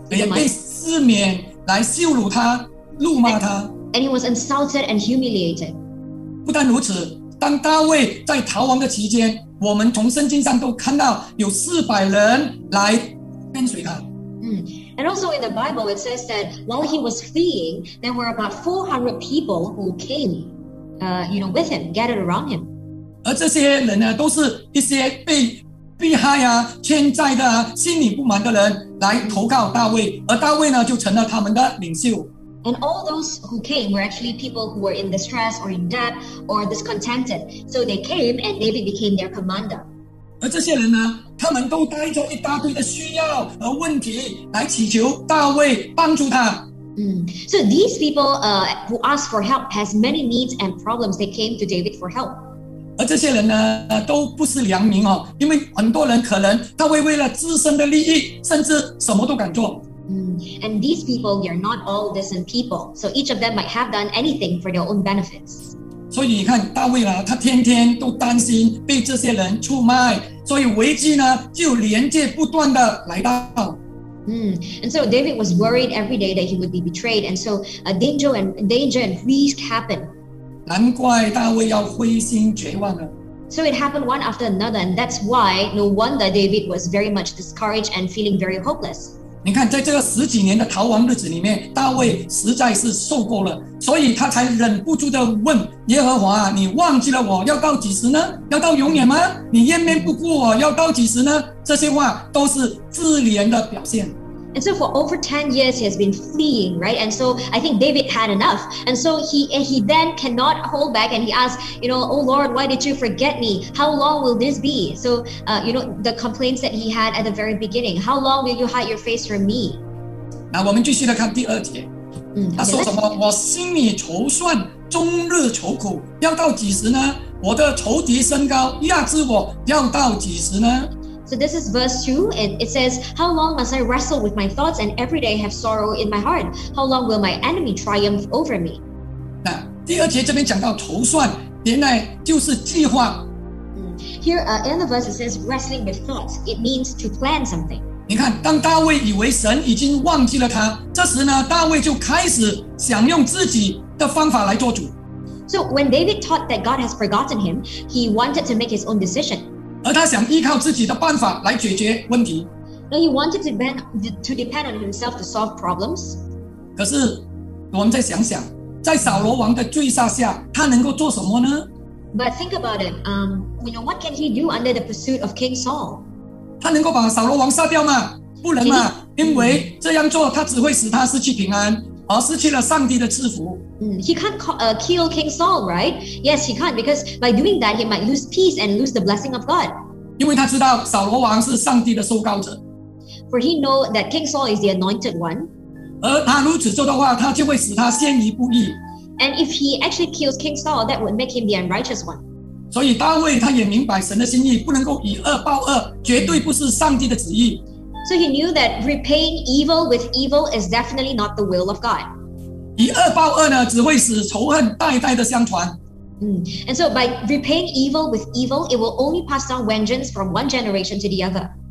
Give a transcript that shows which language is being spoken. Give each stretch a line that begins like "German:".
Chinese: 也被赤面来羞辱他，辱骂他。
English: And he was insulted and humiliated.
Chinese: 不但如此，当大卫在逃亡的期间，我们从圣经上都看到有四百人来跟随他。
English: And also in the Bible, it says that while he was fleeing, there were about 400 people who came, with him, gathered around him.
Chinese: 而这些人呢，都是一些被逼害啊、欠债的啊、心里不满的人来投靠大卫，而大卫呢，就成了他们的领袖。
English: And all those who came were actually people who were in distress or in debt or discontented. So they came, and David became their commander.
Chinese: 而这些人呢，他们都带着一大堆的需要和问题来祈求大卫帮助他。
English: So these people who ask for help has many needs and problems. They came to David for help.
Chinese: 而这些人呢，都不是良民哦，因为很多人可能他会为了自身的利益，甚至什么都敢做。
English: And these people they are not all decent people. So each of them might have done anything for their own benefits.
Chinese: 所以你看大卫啊，他天天都担心被这些人出卖，所以危机呢就连接不断的来到。
English: And so David was worried every day that he would be betrayed, and so danger and risk happened.
Chinese: 难怪大卫要灰心绝望了。
English: So it happened one after another, and that's why no wonder David was very much discouraged and feeling very hopeless.
Chinese: 你看在这个十几年的逃亡日子里面，大卫实在是受够了，所以他才忍不住的问耶和华，你忘记了我要到几时呢？要到永远吗？你掩面不顾我要到几时呢？这些话都是自怜的表现。
English: And so for over 10 years, he has been fleeing, right? And so I think David had enough. And so he then cannot hold back and he asks, you know, oh Lord, why did you forget me? How long will this be? So, you know, the complaints that he had at the very beginning. How long will you hide your face from me?
Chinese: 那我们继续来看第二节。他说什么？我心里愁算，终日愁苦，要到几时呢？我的仇敌升高，压制我，要到几时呢？
English: So this is verse 2, and it says, How long must I wrestle with my thoughts and every day have sorrow in my heart? How long will my enemy triumph over me?
Chinese: 那第二节这边讲到筹算，原来就是计划。
English: Here, in the verse it says, wrestling with thoughts. It means to plan something.
Chinese: 你看，当大卫以为神已经忘记了他，这时呢，大卫就开始想用自己的方法来做主。
English: So when David thought that God has forgotten him, he wanted to make his own decision.
Chinese: 而他想依靠自己的办法来解决问题。
English: And he wanted to depend on himself to solve problems.
Chinese: 可是，我们再想想，在扫罗王的追杀下，他能够做什么呢？
English: But think about it. You know, what can he do under the pursuit of King Saul?
Chinese: 他能够把扫罗王杀掉吗？不能嘛，因为这样做他只会使他失去平安。而失去了上帝的赐福。
English: He can't kill King Saul, right? Yes, he can't, because by doing that, he might lose peace and lose the blessing of God.
Chinese: 因为他知道扫罗王是上帝的受膏者。
English: For he knows that King Saul is the anointed one.
Chinese: 而他如此做的话，他就会使他陷于不义。
English: And if he actually kills King Saul, that would make him the unrighteous one.
Chinese: 所以大卫他也明白神的心意，不能够以恶报恶，绝对不是上帝的旨意。
English: So he knew that repaying evil with evil is definitely not the will of God.
Chinese: 以恶报恶呢，只会使仇恨代代的相传。
English: And so by repaying evil with evil, it will only pass down vengeance from one generation to the other.